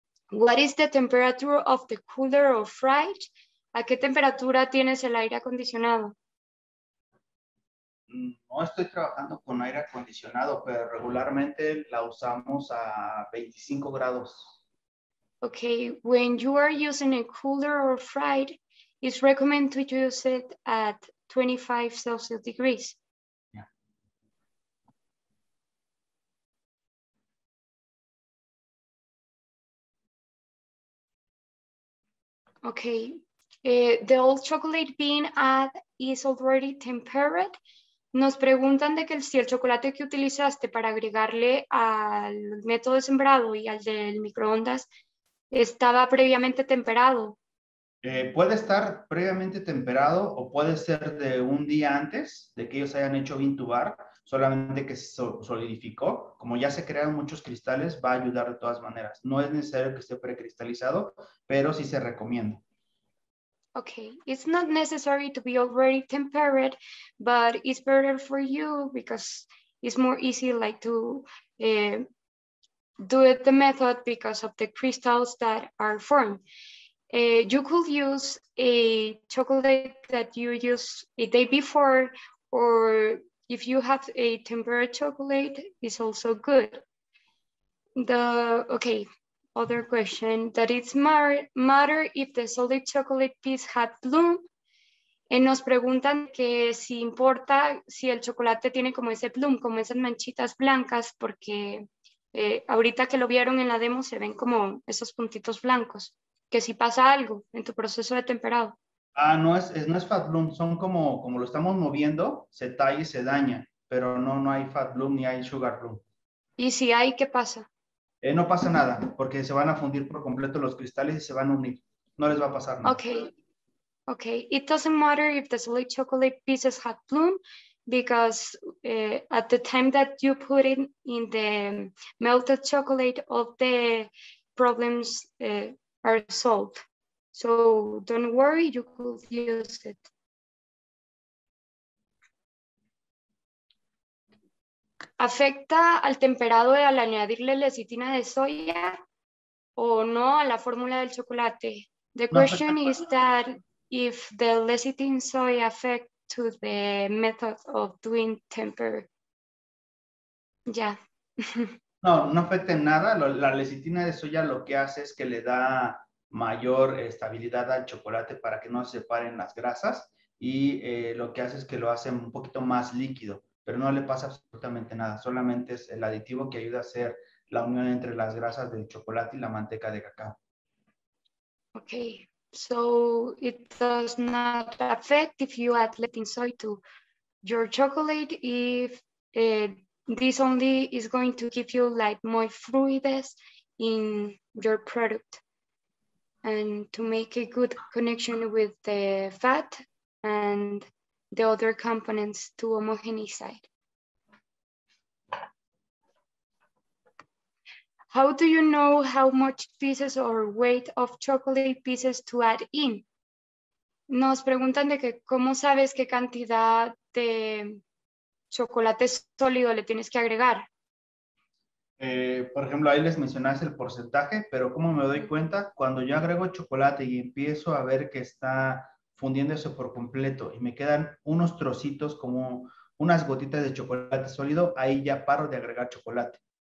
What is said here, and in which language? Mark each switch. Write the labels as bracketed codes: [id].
[en] What is the temperature of the cooler or fridge? [es] ¿A qué temperatura tienes el aire acondicionado? No estoy trabajando con aire acondicionado, pero regularmente la usamos a 25 grados. [en] Okay, when you are using a cooler or fried, it's recommended to use it at 25 Celsius degrees. Yeah. Okay, the old chocolate bean at is already tempered. [es] Nos preguntan de que si el chocolate que utilizaste para agregarle al método de sembrado y al del microondas estaba previamente temperado. Puede estar previamente temperado o puede ser de un día antes de que ellos hayan hecho intubar, solamente que se solidificó. Como ya se crearon muchos cristales, va a ayudar de todas maneras. No es necesario que esté precristalizado, pero sí se recomienda. [en] Okay, it's not necessary to be already tempered, but it's better for you because it's more easy like to do it the method because of the crystals that are formed. You could use a chocolate that you use a day before, or if you have a tempered chocolate, it's also good. Okay. Other question, that it's matter if the solid chocolate piece had bloom. [es] Nos preguntan que si importa si el chocolate tiene como ese bloom, como esas manchitas blancas, porque ahorita que lo vieron en la demo se ven como esos puntitos blancos, que si pasa algo en tu proceso de temperado. Ah, no es fat bloom, son como lo estamos moviendo, se talla y se daña, pero no hay fat bloom ni hay sugar bloom. ¿Y si hay, qué pasa? No pasa nada, porque se van a fundir por completo los cristales y se van a unir. No les va a pasar nada. [en] Okay. It doesn't matter if the solid chocolate pieces have bloom, because at the time that you put it in the melted chocolate, all the problems are solved. So don't worry, you could use it. [es] ¿Afecta al temperado al añadirle lecitina de soya o no a la fórmula del chocolate? [en] The question is that if the lecithin soy affect to the method of doing temper. Yeah. [es] No afecta en nada. La lecitina de soya lo que hace es que le da mayor estabilidad al chocolate para que no se separen las grasas y lo que hace es que lo hace un poquito más líquido. Pero no le pasa absolutamente nada, solamente es el aditivo que ayuda a hacer la unión entre las grasas del chocolate y la manteca de cacao. [en] Okay, so it does not affect if you add lecithin soy to your chocolate, if this only is going to give you like more fluidez in your product and to make a good connection with the fat and the other components to homogenize. How do you know how much pieces or weight of chocolate pieces to add in? [es] Nos preguntan de que cómo sabes qué cantidad de chocolate sólido le tienes que agregar. Por ejemplo, ahí les mencionaste el porcentaje, pero ¿cómo me doy cuenta? Cuando yo agrego chocolate y empiezo a ver que está fundiéndose por completo y me quedan unos trocitos como unas gotitas de chocolate sólido, ahí ya paro de agregar chocolate.